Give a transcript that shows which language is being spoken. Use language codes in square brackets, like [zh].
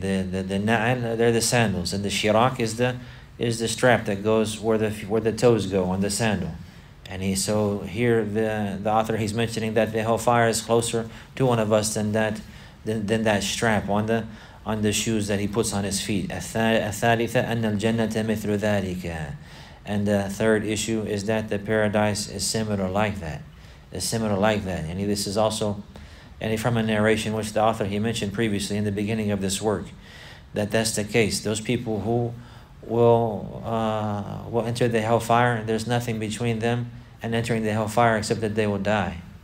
[en] The na'al, they're the sandals, and the shirak is the strap that goes where the toes go on the sandal. And so here the author, he's mentioning that the hellfire is closer to one of us than that strap on the shoes that he puts on his feet. [ar] الثالثة أن الجنة مثل ذلك. [en] And the third issue is that the paradise is similar like that. It's similar like that. And this is also, and from a narration which the author, he mentioned previously in the beginning of this work, that's the case. Those people who will enter the hellfire, there's nothing between them and entering the hellfire except that they will die.